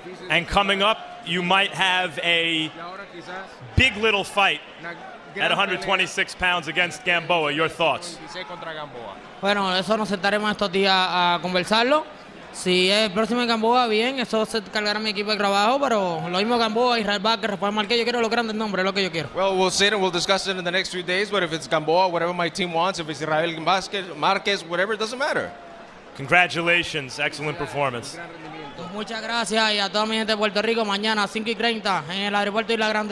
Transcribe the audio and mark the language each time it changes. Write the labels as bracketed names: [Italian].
[English] And coming up, you might have a big little fight at 126 pounds against Gamboa. Your thoughts? [Spanish] Bueno, eso nos sentaremos estos días a conversarlo. Si es el próximo Gamboa, bien, eso se cargará mi equipo de trabajo, pero lo mismo Gamboa, Israel Vázquez, Rafael Marquez, yo quiero los grandes nombres, lo que yo quiero. [English] Well, we'll sit and we'll discuss it in the next few days, but if it's Gamboa, whatever my team wants, if it's Israel Vázquez, Marquez, whatever, it doesn't matter. Congratulations, excellent performance. [Spanish] Muchas gracias y a toda mi gente de Puerto Rico mañana 5:30 en el aeropuerto Isla Grande.